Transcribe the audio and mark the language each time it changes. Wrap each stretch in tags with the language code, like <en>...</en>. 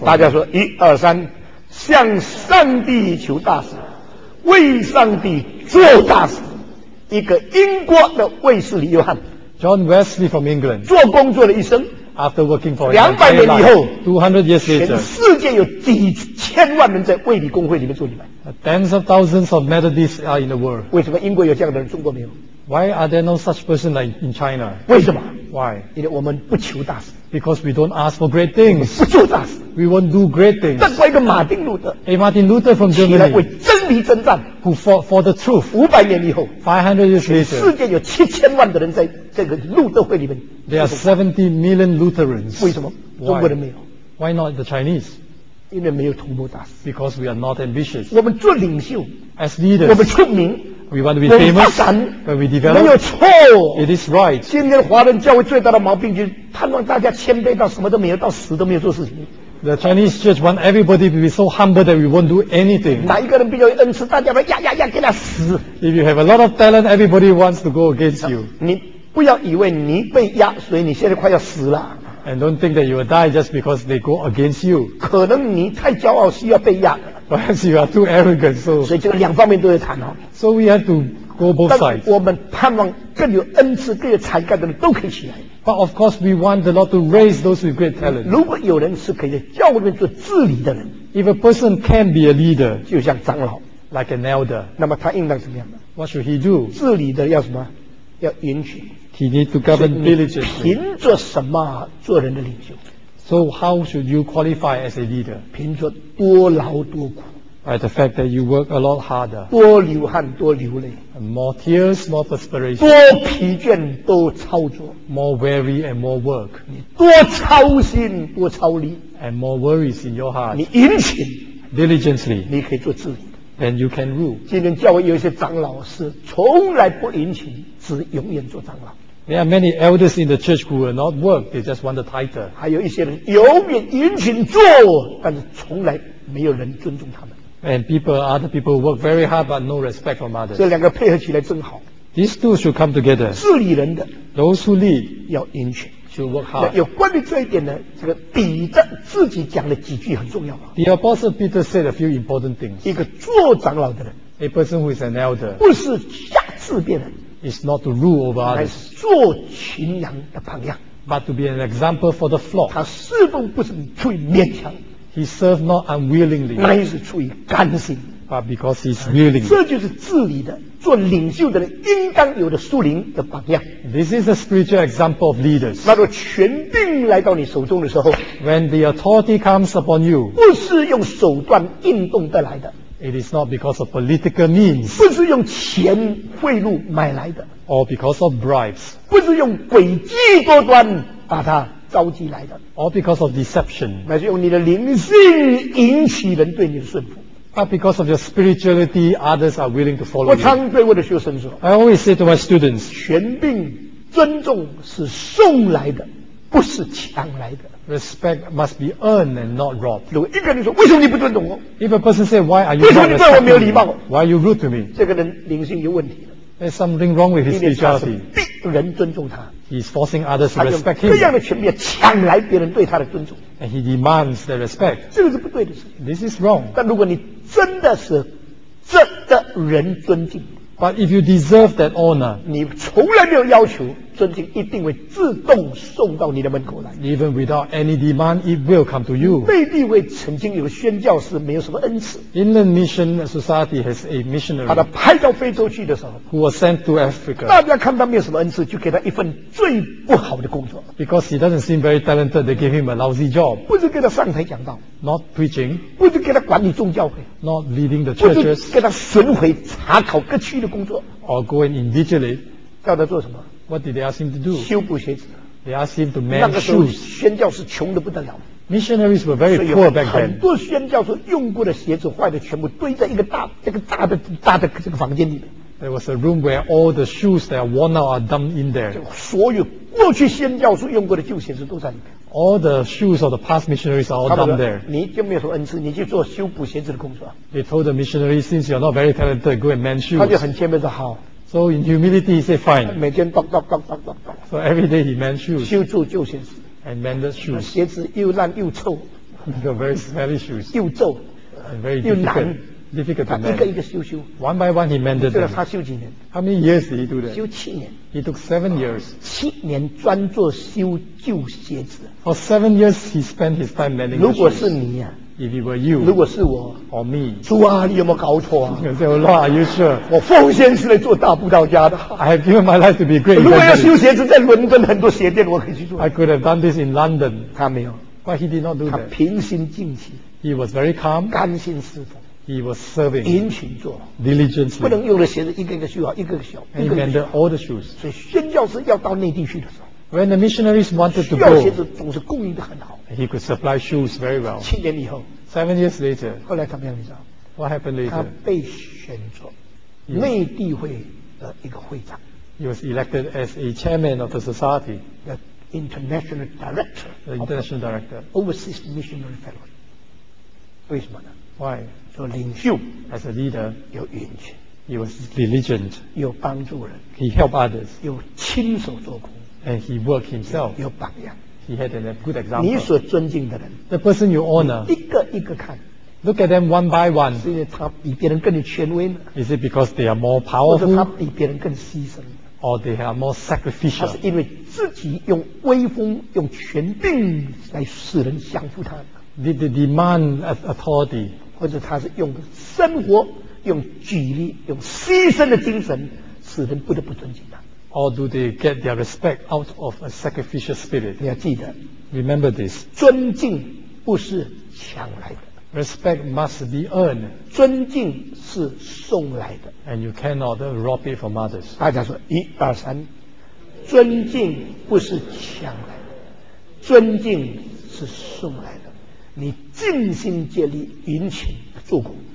<zh>God. 大家说一二三，向上帝求大事。为上帝做大事，一个英国的卫斯理约翰</zh> <en>，John Wesley from England，</en> <zh>做工作了一生</zh> <en>，After working for</en> <zh>两百年以后</zh> <en>，200 years later，</en> <zh>全世界有几千万人在卫理公会里面做礼拜</zh> <en>，Tens of thousands of Methodists are in the world。</en> <zh>为什么英国有这样的人，中国没有</zh> <en>？Why are there no such person like in China？</en> <zh>为什么</zh> <en>？Why？</en> <zh>因为我们不求大事。</zh> <en>Because we don't ask for great things.</en> <zh>不做大事。</zh> <en>We won't do great things.</en> <zh>但一个马丁路德</zh> <en>，A Martin Luther from Germany，</en> <zh>起来为真理征战</zh> <en>，Who fought for the truth.</en> <zh>五百年以后</zh> <en>，500 years later，</en> <zh>世界有七千万的人在这个路德会里面。</zh> <en>There are 70 million Lutherans.</en> <zh>为什么？</zh> <en>Why?</en> <zh>中国人没有</zh> <en>？Why not the Chinese？</en> <zh>因为没有图谋大事。</zh> <en>Because we are not ambitious.</en> <zh>我们做领袖</zh> <en>，As leaders，</en> <zh>我们出名。</zh> <en>We want to be famous, but we develop.</en> <zh>没有错。</zh> <en>It is right.</en> <zh>今天华人教会最大的毛病就是盼望大家谦卑到什么都没有，到死都没有做事情。</zh> <en>The Chinese church want everybody to be so humble that we won't do anything.</en> <zh>哪一个人比较有恩赐，大家要压压压给他死。</zh> <en>If you have a lot of talent, everybody wants to go against you.</en> <zh>你不要以为你被压，所以你现在快要死了。</zh> <en>And don't think that you will die just because they go against you.</en> <zh>可能你太骄傲，需要被压。</zh> <en>Perhaps you are too arrogant, so.</en> <zh>所以这个两方面都要谈哦。</zh> <en>So we have to go both sides.</en> <zh>我们盼望更有恩赐、更有才干的人都可以起来。</zh> <en>But of course, we want the Lord to raise those with great talent.</en> <zh>如果有人是可以在教会里面做治理的人</zh> <en>，If a person can be a leader,</en> <zh>就像长老</zh> <en>，like an elder,</en> <zh>那么他应当怎么样</zh> <en>？What should he do?</en> <zh>治理的要什么？要允许。</zh> <en>He need to govern diligently.</en> <zh>凭着什么做人的领袖？</zh> <en>So how should you qualify as a leader?</en> <zh>凭着多劳多苦。</zh> <en>By the fact that you work a lot harder.</en> <zh>多流汗多流泪。</zh> <en>More tears, more perspiration.</en> <zh>多疲倦多操作。</zh> <en>More weary and more work.</en> <zh>你多操心多操力。</zh> <en>And more worries in your heart.</en> <zh>你殷勤。</zh> <en>Diligently.</en> <zh>你可以做治理。</zh> <en>Then you can rule.</en> <zh>今天教会有一些长老是从来不殷勤，只永远做长老。</zh> <en>There are many elders in the church who will not work, they just want the title.</en> <zh>还有一些人永远殷勤做，但是从来没有人尊重他们。</zh> <en>And other people work very hard but no respect from others.</en> <zh>这两个配合起来正好。</zh> <en>These two should come together.</en> <zh>治理人的</zh> <en>those who lead</en> <zh>要殷勤</zh> <en>should work hard.</en> <zh>有关于这一点呢，这个彼得自己讲了几句很重要。</zh> <en>The apostle Peter said a few important things.</en> <zh>一个做长老的人</zh> <en>a person who is an elder</en> <zh>不是下次变人</zh> <en>is not to rule over others.</en> <zh>乃是做群羊的榜样</zh> <en>but to be an example for the flock.</en> <zh>他侍奉不是出于勉强。</zh> <en>He served not unwillingly,</en> <zh>那也是出于甘心</zh> <en>but because he's willing.</en> <zh>这就是治理的，做领袖的人应当有的属灵的榜样。</zh> <en>This is a spiritual example of leaders.</en> <zh>那个权柄来到你手中的时候</zh> <en>when the authority comes upon you,</en> <zh>不是用手段运动得来的</zh> <en>it is not because of political means,</en> <zh>不是用钱贿赂买来的</zh> <en>or because of bribes,</en> <zh>不是用诡计多端把它召集来的</zh> <en>or because of deception</en> <zh>乃是用你的灵性引起人对你的顺服</zh> <en>but because of your spirituality others are willing to follow</en> <zh>我常对我的学生说</zh> <en>I always say to my students</en> <zh>权柄尊重是送来的不是抢来的</zh> <en>respect must be earned and not robbed</en> <zh>如果一个人说为什么你不尊重我</zh> <en>if a person say why are you not respecting</en> <zh>为什么你对我没有礼貌</zh> <en>why are you rude to me</en> <zh>这个人灵性有问题了</zh> <en>there's something wrong with his spirituality</en> <zh>因为他是逼人尊重他</zh> <en>He's forcing others to respect him.</en> <zh>他用各样的权柄抢来别人对他的尊重。</zh> <en>And he demands their respect.</en> <zh>这个是不对的事。</zh> <en>This is wrong.</en> <zh>但如果你真的是值得人尊敬</zh> <en>，But if you deserve that honor,</en> <zh>你从来没有要求尊敬，一定会自动送到你的门口来。</zh> <en>Even without any demand, it will come to you.</en> <zh>贝利威曾经有宣教士，没有什么恩赐。</zh> <en>Inland Mission Society has a missionary.</en> <zh>把他派到非洲去的时候</zh> <en>，Who was sent to Africa?</en> <zh>大家看他没有什么恩赐，就给他一份最不好的工作。</zh> <en>Because he doesn't seem very talented, they give him a lousy job.</en> <zh>不是给他上台讲道</zh> <en>，Not preaching.</en> <zh>不是给他管理宗教会</zh> <en>，Not leading the churches.</en> <zh>不是给他巡回查考各区的工作</zh> <en>，Or go and invigilate.</en> <zh>叫他做什么？</zh> <en>What did they ask him to do?</en> <zh>修补鞋子。</zh> <en>They asked him to mend shoes.</en> <zh>那个时候宣教士穷得不得了。</zh> <en>Missionaries were very poor back then.</en> <zh>很多宣教士用过的鞋子坏的全部堆在一个大这个大的大的这个房间里面。</zh> <en>There was a room where all the shoes that are worn out are dumped in there.</en> <zh>所有过去宣教士用过的旧鞋子都在里面。</zh> <en>All the shoes of the past missionaries are all dumped there.</en> <zh>你就没有什么恩赐，你去做修补鞋子的工作。</zh> <en>They told the missionary, since you're not very talented, go and mend shoes.</en> <zh>他就很谦卑的好。</zh> <en>So in humility, he said, "Fine." 每天 dog dog dog dog dog. So every day he mend shoes.</en> <zh>修住旧鞋子。</zh> <en>And mended shoes.</en> <zh>鞋子又烂又臭。</zh> <en>They're very smelly shoes.</en> <zh>又皱。</zh> <en>And very difficult. Difficult to mend.</en> <zh>一个一个修修。</zh> <en>One by one he mended them.</en> <zh>这个他修几年</zh> <en>？How many years did he do that?</en> <zh>修七年。</zh> <en>He took 7 years.</en> <zh>七年专做修旧鞋子。</zh> <en>For 7 years, he spent his time mending shoes.</en> <zh>如果是你呀。</zh> <en>If it were you,</en> <zh>如果是我</zh> <en>or me,</en> <zh>主啊你有没有搞错啊</zh> <en>you say, Lord, are you sure?</en> <zh>我奉献是来做大布道家的</zh> <en>I have given my life to be great</en> <zh>如果要修鞋子在伦敦很多鞋店我可以去做</zh> <en>I could have done this in London</en> <zh>他没有</zh> <en>but he did not do that</en> <zh>他平心静气</zh> <en>he was very calm</en> <zh>甘心侍奉</zh> <en>he was serving</en> <zh>殷勤做</zh> <en>diligently</en> <zh>不能用的鞋子一个一个修好一个一个修</zh> <en>and he mended all the shoes</en> <zh>所以宣教士要到内地去的时候</zh> <en>When the missionaries wanted to go,</en> <zh>需要鞋子总是供应得很好。</zh> <en>He could supply shoes very well.</en> <zh>七年以后</zh> <en>7 years later,</en> <zh>后来怎么样你知道</zh> <en>What happened later?</en> <zh>他被选作内地会的一个会长。</zh> <en>He was elected as a chairman of the society. The international director. The international director. Overseas missionary fellow.</en> <zh>为什么呢</zh> <en>？Why?</en> <zh>做领袖</zh> <en>，as a leader,</en> <zh>有远见。</zh> <en>He was diligent.</en> <zh>有帮助人。</zh> <en>He helped others.</en> <zh>有亲手做工。</zh> <en>And he worked himself.</en> <zh>有榜样。</zh> <en>He had a good example.</en> <zh>你所尊敬的人。</zh> <en>The person you honor.</en> <zh>一个一个看。</zh> <en>Look at them one by one.</en> <zh>是因为他比别人更权威呢。</zh> <en>Is it because they are more powerful?</en> <zh>或者他比别人更牺牲。</zh> <en>Or they are more sacrificial.</en> <zh>他是因为自己用威风、用权柄来使人降服他。</zh> <en>Did they demand authority?</en> <zh>或者他是用生活、用举例、用牺牲的精神，使人不得不尊敬。</zh> <en>Or do they get their respect out of a sacrificial spirit?</en> <zh>你要记得</zh> <en>Remember this.</en> <zh>尊敬不是抢来的</zh> <en>Respect must be earned.</en> <zh>尊敬是送来的</zh> <en>And you cannot rob it from others.</en> <zh>大家说一二三尊敬不是抢来的尊敬是送来的你尽心竭力殷勤做工</zh>